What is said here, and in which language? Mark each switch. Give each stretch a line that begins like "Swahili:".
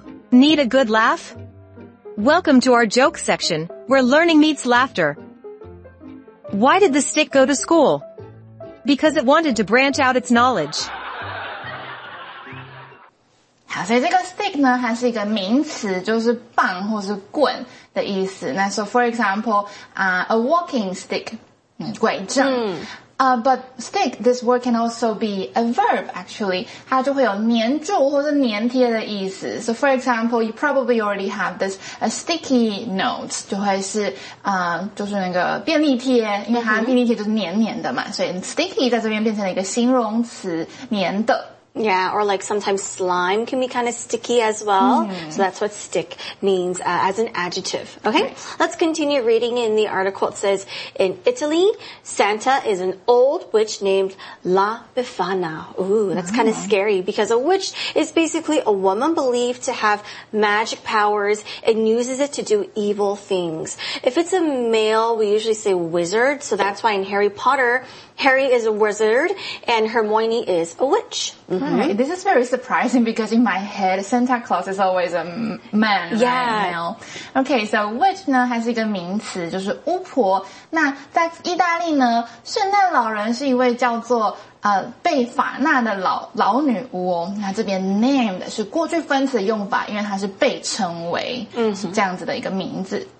English: Need a good laugh? Welcome to our joke section, where learning meets laughter. Why did the stick go to school? Because it wanted to branch out its knowledge.
Chinese: 好，所以这个 stick 呢，它是一个名词，就是棒或是棍的意思。
English: 那 so for example, a walking stick,
Chinese: 拐杖。
English: But stick, this word can also be a verb, actually.
Chinese: 它就会有粘住或是粘贴的意思。
English: So for example, you probably already have this, a sticky note,
Chinese: 就会是就是那个便利贴，因为它便利贴就是粘粘的嘛。所以 sticky 在这边变成了一个形容词，粘的。
English: Yeah, or like sometimes slime can be kind of sticky as well. So that's what stick means as an adjective. Okay, let's continue reading in the article. It says, in Italy, Santa is an old witch named La Befana. Ooh, that's kind of scary because a witch is basically a woman believed to have magic powers and uses it to do evil things. If it's a male, we usually say wizard. So that's why in Harry Potter, Harry is a wizard and Hermione is a witch. Mm-hmm. Right. This is very surprising because in my head, Santa Claus is always a man, yeah. right? Okay, so witch
Chinese: 呢还是一个名词，就是巫婆。那在意大利呢，圣诞老人是一位叫做贝法纳的老女巫哦。那这边 named 是过去分词的用法，因为它是被称为，是这样子的一个名字。